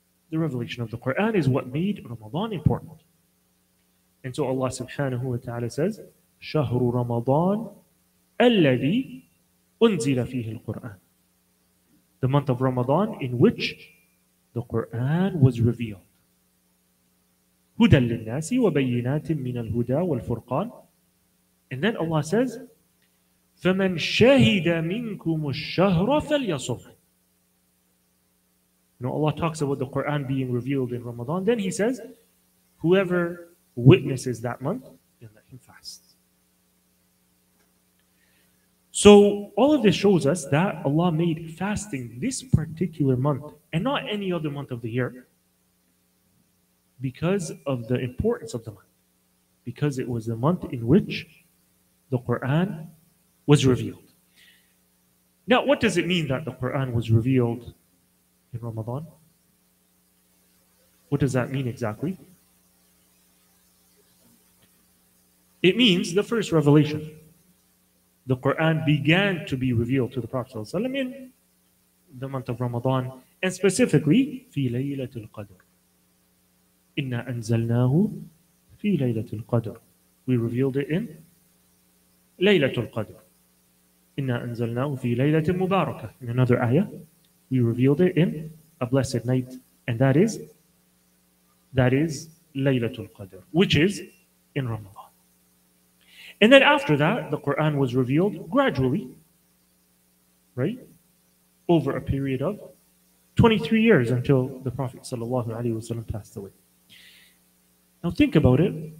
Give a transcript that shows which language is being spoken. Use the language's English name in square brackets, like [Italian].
[English] The revelation of the Quran is what made Ramadan important. And so Allah subhanahu wa ta'ala says, [Arabic] شهر رمضان الذي أنزل فيه القرآن. [English] The month of Ramadan in which the Quran was revealed. [Arabic] هدى للناس وبينات من الهدى والفرقان. [English] And then Allah says, [Arabic] فمن شهد منكم الشهر فليصم. [English] You know, Allah talks about the Quran being revealed in Ramadan. Then He says, whoever witnesses that month, then let him fast. So all of this shows us that Allah made fasting this particular month and not any other month of the year because of the importance of the month. Because it was the month in which the Quran was revealed. Now, what does it mean that the Quran was revealed in Ramadan? What does that mean exactly? It means the first revelation. The Quran began to be revealed to the Prophet ﷺ in the month of Ramadan, and specifically [Arabic] في ليلة القدر. إنا أنزلناه في ليلة القدر. [English] We revealed it in [Arabic] ليلة القدر. إنا أنزلناه في ليلة مباركة. [English] In another ayah, we revealed it in a blessed night, and that is Laylatul Qadr, which is in Ramadan. And then after that, the Quran was revealed gradually, right, over a period of 23 years until the Prophet sallallahu alaihi wasallam passed away. Now think about it.